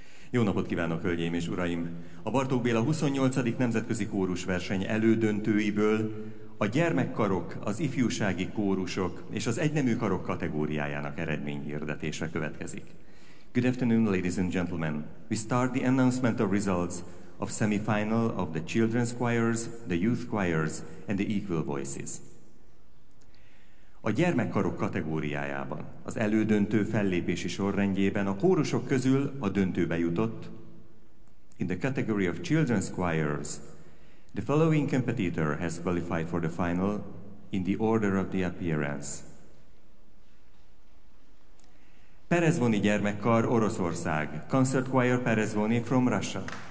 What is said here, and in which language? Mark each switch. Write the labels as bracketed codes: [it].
[hu] Jó napot kívánok, hölgyeim és uraim! A Bartók Béla 28. Nemzetközi Kórus Verseny elődöntőiből a gyermekkarok, az ifjúsági kórusok és az egynemű karok kategóriájának eredményhirdetése következik. [en] Good afternoon, ladies and gentlemen. We start the announcement of results of semifinal of the children's choirs, the youth choirs and the equal voices. [hu] A gyermekkarok kategóriájában, az elődöntő fellépési sorrendjében a kórusok közül a döntőbe jutott. [en] In the category of children's choirs, the following competitor has qualified for the final in the order of the appearance. [hu] Perezvoni gyermekkar, Oroszország. [en] Concert choir Perezvoni from Russia.